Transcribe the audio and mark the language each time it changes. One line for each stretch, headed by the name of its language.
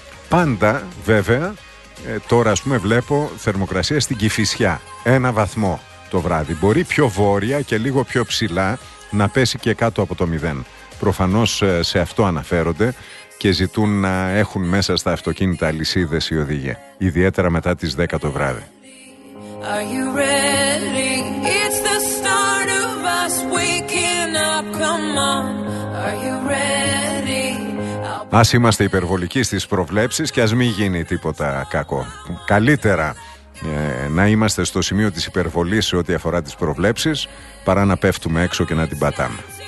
Greek: Πάντα, βέβαια, τώρα ας πούμε βλέπω θερμοκρασία στην Κηφισιά, 1 βαθμό το βράδυ. Μπορεί πιο βόρεια και λίγο πιο ψηλά να πέσει και κάτω από το 0. Προφανώς σε αυτό αναφέρονται και ζητούν να έχουν μέσα στα αυτοκίνητα αλυσίδες οι οδηγοί, ιδιαίτερα μετά τις 10 το βράδυ.
English: Are you ready? It's the start of us waking up, come on. Are you ready?
Greek: Ας είμαστε υπερβολικοί στις προβλέψεις και ας μην γίνει τίποτα κακό. Καλύτερα να είμαστε στο σημείο της υπερβολής σε ό,τι αφορά τις προβλέψεις, παρά να πέφτουμε έξω και να την πατάμε.